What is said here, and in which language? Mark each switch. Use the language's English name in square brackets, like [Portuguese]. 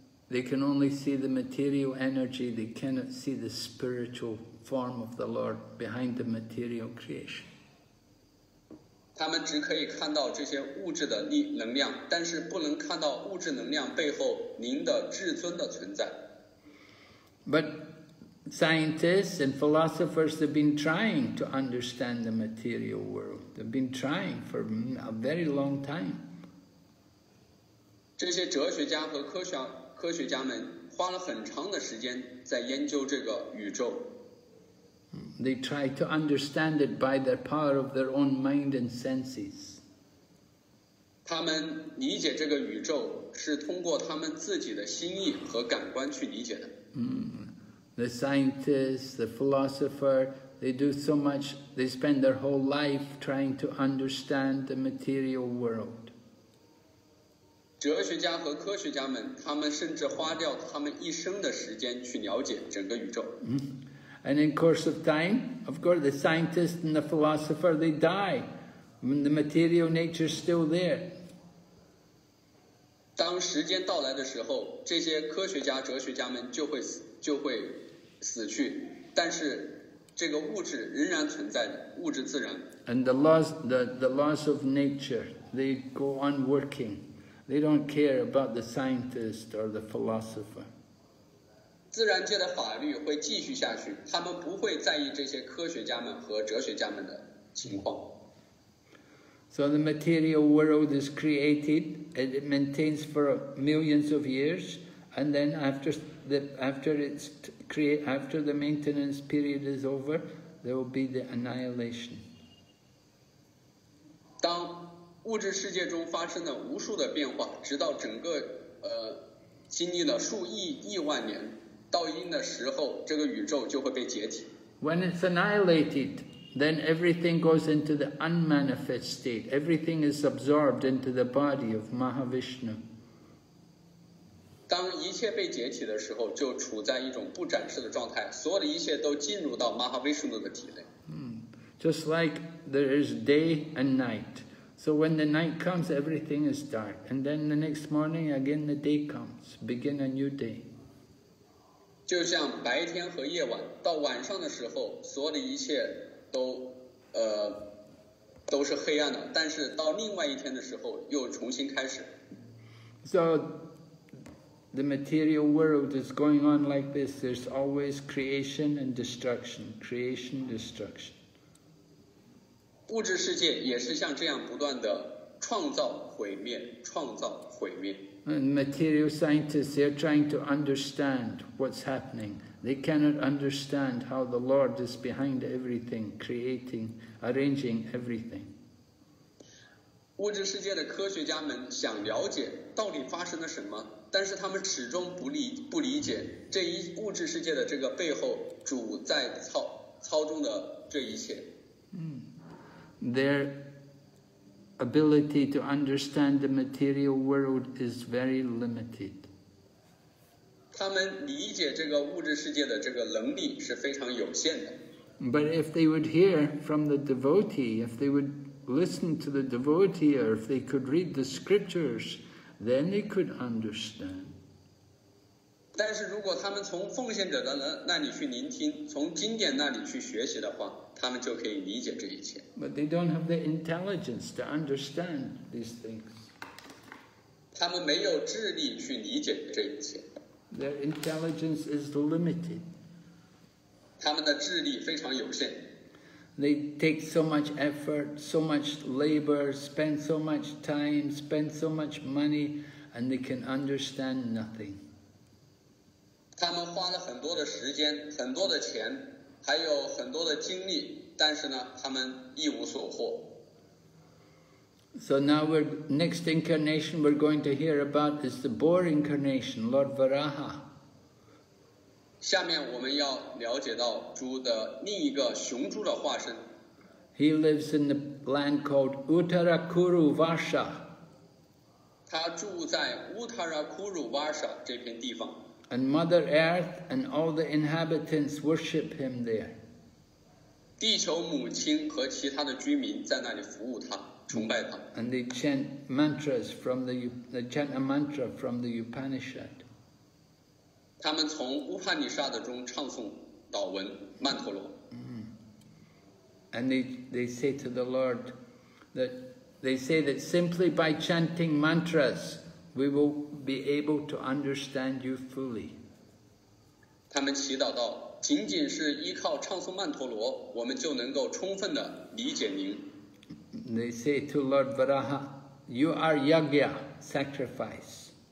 [English] They can only see the material energy, they cannot see the spiritual form of the Lord behind the material creation. [Chinese] 他们只可以看到这些物质的能量，但是不能看到物质能量背后您的至尊的存在。 [English] But scientists and philosophers have been trying to understand the material world. They've been trying for a very long time. [Chinese] 这些哲学家和科学家们花了很长的时间在研究这个宇宙。 [English] They try to understand it by the power of their own mind and senses. [Chinese] 他们理解这个宇宙是通过他们自己的心意和感官去理解的。 [English] The scientists, the philosopher, they do so much, they spend their whole life trying to understand the material world. [Chinese] 哲学家和科学家们，他们甚至花掉他们一生的时间去了解整个宇宙。 [English] And in course of time, of course, the scientist and the philosopher, they die. I mean, the material nature is still there. [Chinese] 当时间到来的时候，这些科学家、哲学家们就会死去，但是这个物质仍然存在的，物质自然。 [English] And the laws of nature, they go on working. They don't care about the scientist or the philosopher. [Chinese] 自然界的法律会继续下去，他们不会在意这些科学家们和哲学家们的情况。 [English] So the material world is created, and it maintains for millions of years, and then after the maintenance period is over, there will be the annihilation. [Chinese] 当物质世界中发生了无数的变化，直到整个经历了数亿万年。到因的时候，这个宇宙就会被解体。 [English] When it's annihilated, then everything goes into the unmanifest state. Everything is absorbed into the body of Mahavishnu. [Chinese] 当一切被解体的时候，就处在一种不展示的状态，所有的一切都进入到 Mahavishnu 的体内。 [English] Just like there is day and night. So when the night comes, everything is dark. And then the next morning, again the day comes. Begin a new day. [Chinese] 就像白天和夜晚，到晚上的时候，所有的一切都是黑暗的。但是到另外一天的时候，又重新开始。 [English] So the material world is going on like this. There's always creation and destruction, creation, destruction. [Chinese] 物质世界也是像这样不断的创造毁灭，创造毁灭。 [English] And material scientists, they are trying to understand what's happening. They cannot understand how the Lord is behind everything, creating, arranging everything. [Chinese] 物质世界的科学家们想了解到底发生了什么，但是他们始终不理解这一物质世界的这个背后主在操纵的这一切。 [English] Their ability to understand the material world is very limited. [Chinese] 他们理解这个物质世界的这个能力是非常有限的。 [English] But if they would hear from the devotee, if they would listen to the devotee, or if they could read the scriptures, then they could understand. [Chinese] 但是如果他们从奉献者的那里去聆听，从经典那里去学习的话，他们就可以理解这一切。 [English] But they don't have the intelligence to understand these things. [Chinese] 他们没有智力去理解这一切。 [English] Their intelligence is limited. [Chinese] 他们的智力非常有限。 [English] They take so much effort, so much labor, spend so much time, spend so much money, and they can understand nothing. [Chinese] 他们花了很多的时间，很多的钱，还有很多的精力，但是呢，他们一无所获。 [English] So now we're next incarnation we're going to hear about is the boar incarnation, Lord Varaha. [Chinese] 下面我们要了解到猪的另一个雄猪的化身。 [English] He lives in the land called Uttarakuru Varsha. [Chinese] 他住在 Uttarakuru Varsha 这片地方。 [English] And Mother Earth and all the inhabitants worship him there. [Chinese] 地球母亲和其他的居民在那里服务他。 [English] And they chant mantras from the chant a mantra from the Upanishad. [Chinese] 他们从乌帕尼沙德中唱诵祷文曼陀罗。 [English] And they say to the Lord that they say that simply by chanting mantras we will be able to understand you fully. [Chinese] 他们祈祷道，仅仅是依靠唱诵曼陀罗，我们就能够充分的理解您。 [English] They say to Lord Varaha, "You are yagya, sacrifice."